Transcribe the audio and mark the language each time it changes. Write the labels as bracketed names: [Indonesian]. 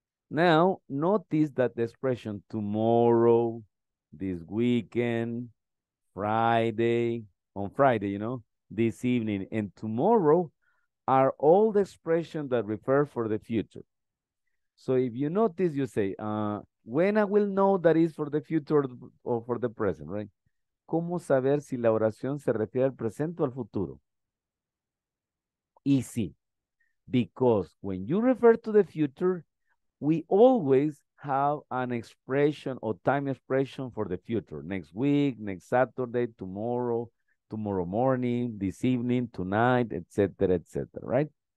[English] Now, notice that the expression tomorrow, this weekend, on Friday, you know, this evening and tomorrow are all the expressions that refer for the future. So if you notice, you say, when I will know that is for the future or for the present, right? [Spanish] ¿Cómo saber si la oración se refiere al presente o al futuro? [English] Easy. Because when you refer to the future, we always have an expression or time expression for the future. Next week, next Saturday, tomorrow morning, this evening, tonight, etc., etc., right?